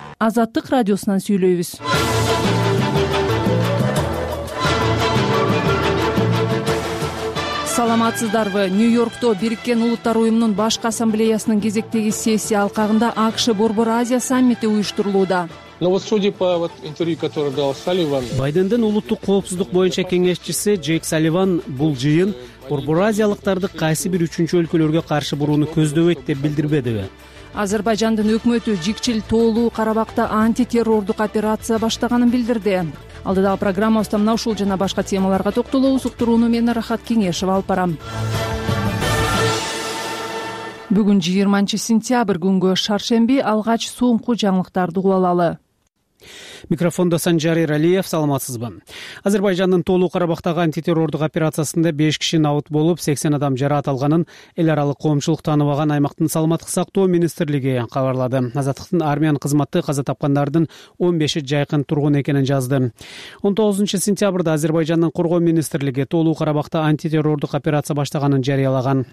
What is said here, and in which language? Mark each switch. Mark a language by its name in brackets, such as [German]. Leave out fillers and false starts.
[Kyrgyz] Азаттык радиосунан сүйлөйбүз. Саламатсыздарбы? Нью-Йоркто Бириккен Улуттар Уюмунун Башкы Ассамблеясынын кезектеги сессия алкагында АКШ Борбор Азия саммити уюштурулууда. [Russian] Но вот судя по вот интервью, которое дал Салливан. [Kyrgyz] Байдендин улуттук коопсуздук боюнча кеңешчиси Джейк Салливан бул жыйын Борбор Азиялыктарды кайсы бир үчүнчү өлкөлөргө каршы бурууну көздөбөйт деп билдирбедиби? Азербайджандын өкмөтү Жикчил Тоолуу Карабакта антитеррордук операция баштаганын билдирди. Алдыдагы программабызда мына ушул жана башка темаларга токтолобуз. Уктурууну мен Рахат Кеңешов алып барам. Бүгүн 20-сентябрь күнгө шаршемби, алгач соңку жаңылыктарды кубалалы. Микрофондо Санжар Эралиев, саламатсызбы. Азербайджандын Тоолуу Карабактагы антитеррордук операциясында 5 киши наут болуп, 80 адам жараат алганын эл аралык коомчулук тааныбаган аймактын саламаттык сактоо министрлиги кабарлады. Азаттыктын армиянын кызматы каза тапкандардын 15 жакын тургун экенин жазды. 19-сентябрда Азербайджандын коргоо министрлиги Тоолуу Карабакта антитеррордук операция баштаганын жарыялаган.